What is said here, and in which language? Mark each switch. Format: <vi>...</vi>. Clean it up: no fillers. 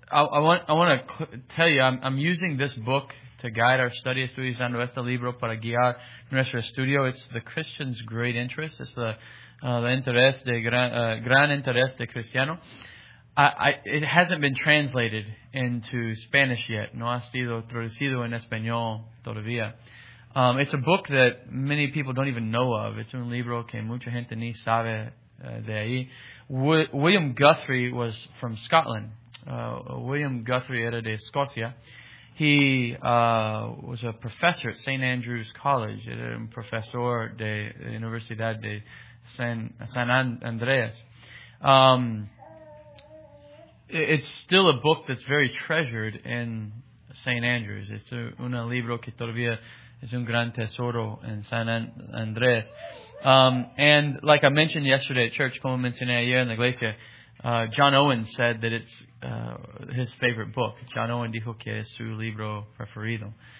<en>I want to tell you, I'm using this book to guide our study.</en> <es>Estoy usando este libro para guiar nuestro estudio.</es> <en>It's The Christian's Great Interest. It's the</en> <es>interés de gran interés de cristiano.</es> <en>It hasn't been translated into Spanish yet.</en> <es>No ha sido traducido en español todavía.</es> <en>It's a book that many people don't even know of.</en> <es>It's un libro que mucha gente ni sabe de ahí.</es> <en>William Guthrie was from Scotland.</en> <es>William Guthrie era de Escocia.</es> <en>He was a professor at St. Andrew's College.</en> <es>Era un profesor de Universidad de San Andreas.</es> <en>It's still a book that's very treasured in St. Andrew's.</en> <es>It's un libro que todavía es un gran tesoro en San Andreas.</es> <en>And like I mentioned yesterday at church,</en> <es>como mencioné ayer en la iglesia,</es> <en>John Owen said that it's his favorite book.</en> <es>John Owen dijo que es su libro preferido.</es>